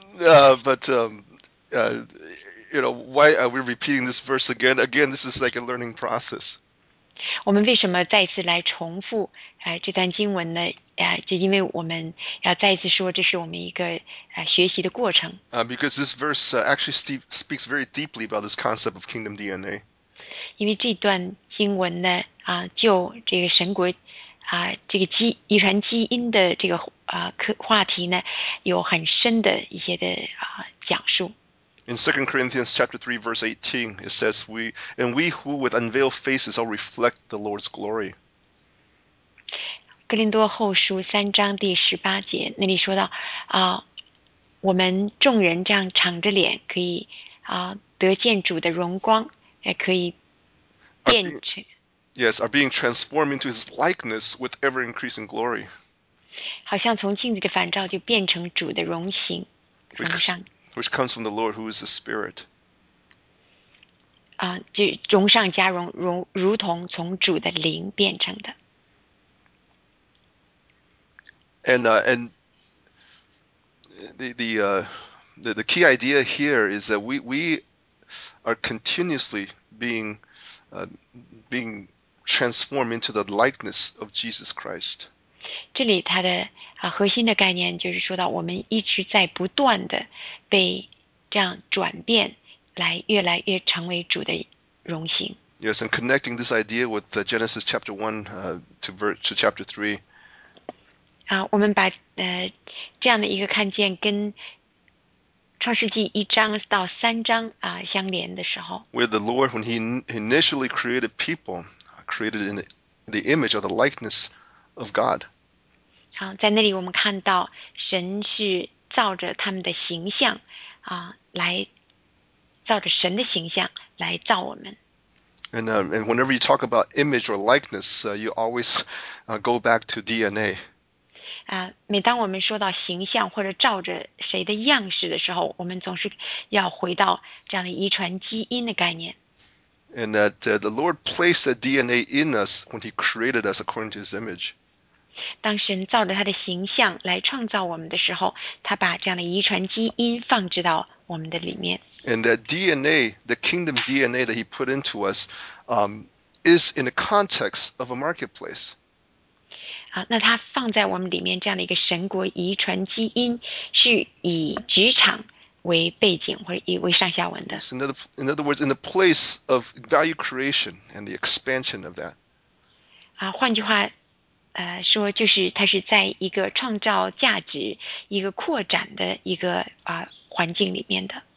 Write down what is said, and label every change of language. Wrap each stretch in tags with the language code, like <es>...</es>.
<en>Why are we repeating this verse again? Again, this is like a learning process.</en> <zh>我们为什么再次来重复这段经文呢？就因为我们要再次说，这是我们一个学习的过程。</zh> <en>Because this verse actually speaks very deeply about this concept of kingdom DNA.</en> <zh>因为这段经文呢，就这个神国这个遗传基因的这个话题呢，有很深的一些的讲述。</zh> <en>In 2 Corinthians chapter 3, verse 18, it says, we who with unveiled faces all reflect the Lord's glory.</en> <zh>哥林多后书三章第十八节，那里说到，我们众人这样敞着脸，可以得见主的荣光，也可以变成。</zh> <en>Yes, are being transformed into his likeness with ever-increasing glory.</en> <zh>好像从镜子的反照就变成主的荣形，荣上。</zh> <en>Which comes from the Lord who is the Spirit.</en> <zh>就荣上加荣，如同从主的灵变成的。</zh> <en>And the key idea here is that we are continuously being transformed into the likeness of Jesus Christ.</en> <zh>这里它的核心的概念就是说到我们一直在不断的被这样转变，来越来越成为主的荣形。</zh> <en>Yes, and connecting this idea with Genesis chapter 1 to chapter 3.</en> <zh>我们把这样的一个看见跟创世纪一章到三章相连的时候。</zh> <en>Where the Lord, when he initially created people, created in the image or the likeness of God.</en> <zh>在那里我们看到神是照着他们的形象来照着神的形象来造我们。</zh> <en>And whenever you talk about image or likeness, you always go back to DNA.</en> <zh>每当我们说到形象或者照着谁的样式的时候，我们总是要回到这样的遗传基因的概念。</zh> <en>And that the Lord placed the DNA in us when he created us according to his image.</en> <zh>当神照着他的形象来创造我们的时候，他把这样的遗传基因放置到我们的里面。</zh> <en>And that DNA, the kingdom DNA that he put into us, is in the context of a marketplace.</en> <zh>那他放在我们里面这样的一个神国遗传基因是以职场为背景或者为上下文的。</zh> <en>In other words, in the place of value creation and the expansion of that.</en> <zh>换句话说，就是它是在一个创造价值、一个扩展的一个环境里面的。</zh>